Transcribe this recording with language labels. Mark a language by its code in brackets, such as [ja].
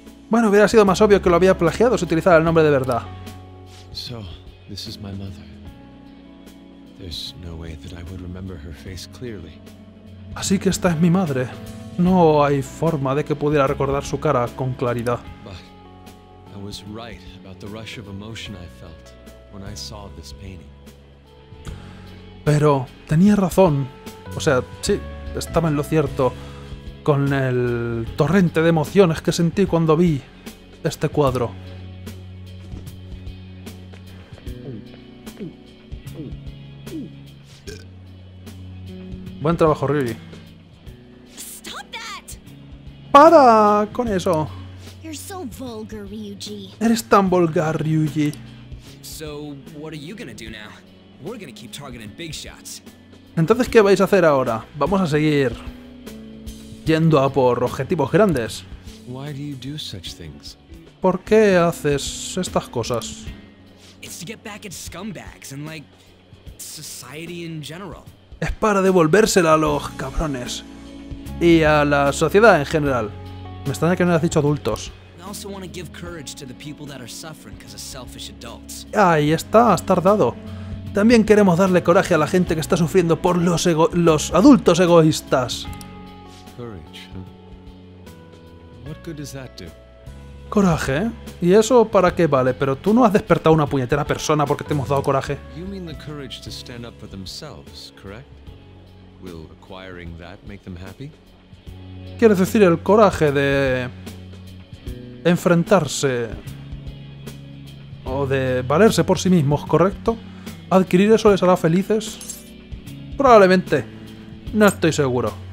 [es] Bueno, hubiera sido más obvio que lo había plagiado si utilizara el nombre de verdad. [en] So, this is my mother. There's no way that I would remember her face clearly. [es] Así que esta es mi madre. No hay forma de que pudiera recordar su cara con claridad. [en] But I was right about the rush of emotion I felt when I saw this painting. [es] Pero tenía razón. O sea, sí, estaba en lo cierto con el torrente de emociones que sentí cuando vi este cuadro. Buen trabajo, Riri. [en] Stop that. [es] ¡Para con eso! [en] You're so vulgar, Ryuji. [es] Eres tan vulgar, Ryuji. [en] So, what are you gonna do now? We're gonna keep targeting big shots. [es] Entonces, ¿qué vais a hacer ahora? Vamos a seguir yendo a por objetivos grandes. [en] Why do you do such things? [es] ¿Por qué haces estas cosas? [en] It's to get back at scumbags and like society in general. [es] Es para devolvérsela a los cabrones y a la sociedad en general. Me extraña que no hayas dicho adultos. Ahí está, has tardado. También queremos darle coraje a la gente que está sufriendo por los adultos egoístas. [en] Courage, huh? What good does that do? [es] Coraje, ¿eh? ¿Y eso para qué vale? Pero tú no has despertado una puñetera persona porque te hemos dado coraje. [en] You mean the courage to stand up for themselves, correct? Will acquiring that make them happy? [es] ¿Quieres decir el coraje de enfrentarse o de valerse por sí mismos, correcto? ¿Adquirir eso les hará felices? Probablemente. No estoy seguro.